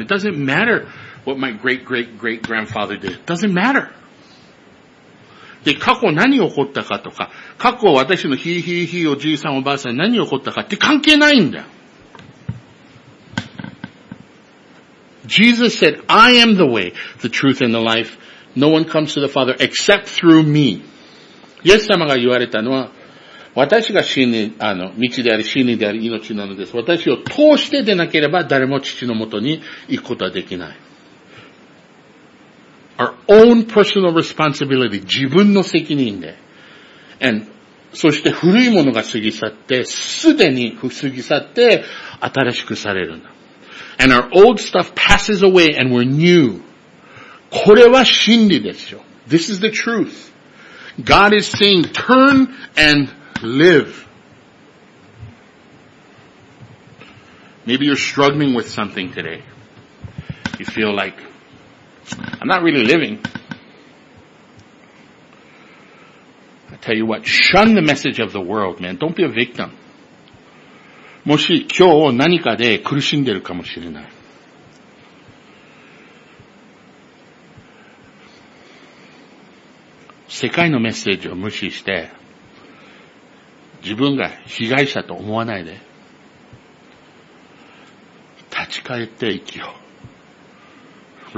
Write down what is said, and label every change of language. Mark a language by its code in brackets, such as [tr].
[en] It doesn't matter what my great, great, great grandfather did. Doesn't matter. [ja] で、過去何起こったかとか、過去私のひいひいひいおじいさんおばあさん何起こったかって関係ないんだよ。 [en] Jesus said, I am the way, the truth, and the life. No one comes to the Father except through me. [ja] イエス様が言われたのは、私が真理、道であり、真理であり、命なのです。私を通して出なければ、誰も父のもとに行くことはできない。 [en] Our own personal responsibility, [ja] 自分の責任で。 And, そして古いものが過ぎ去って、すでに過ぎ去って、新しくされるんだ。 [en] And our old stuff passes away and we're new. [ja] これは真理ですよ。 [en] This is the truth. God is saying, turn and live. Maybe you're struggling with something today. You feel like, I'm not really living. I tell you what, shun the message of the world, man. Don't be a victim. [ja] もし今日何かで苦しんでるかもしれない。世界のメッセージを無視して、自分が被害者と思わないで、立ち返っていきよう。